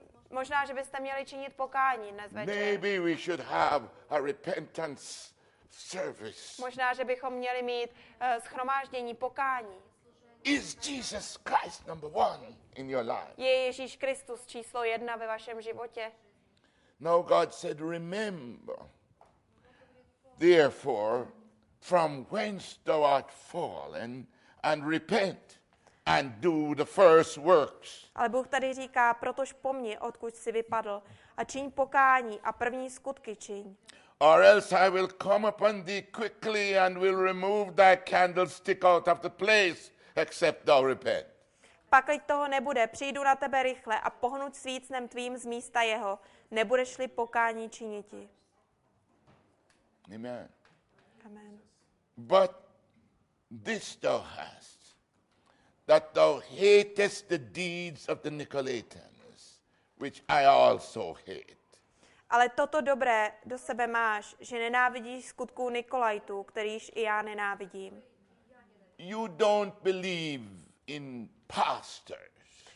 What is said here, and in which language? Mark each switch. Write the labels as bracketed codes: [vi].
[cs] Možná, že byste měli činit pokání dnes večer. [en] Maybe we should have a repentance service. [cs] Možná, že bychom měli mít shromáždění pokání. [en] Is Jesus Christ number one in your life? [cs] Je Ježíš Kristus číslo jedna ve vašem životě? [en] No, God said, remember, therefore, from whence thou art fallen, and repent, and do the first works. [cs] Ale Bůh tady říká, protož pomni, odkud jsi vypadl, a čiň pokání a první skutky čiň. [en] Or else I will come upon thee quickly and will remove thy candlestick out of the place, except thou repent. [cs] Pakliť toho nebude, přijdu na tebe rychle a pohnuť svícnem tvým z místa jeho, nebudeš-li pokání činiti. [en] Amen. [cs] Amen. [en] But this thou hast, that thou hatest the deeds of the Nicolaitans, which I also hate. [cs] Ale toto dobré do sebe máš, že nenávidíš skutků Nikolajtů, kterýž i já nenávidím. [en] You don't believe in pastors.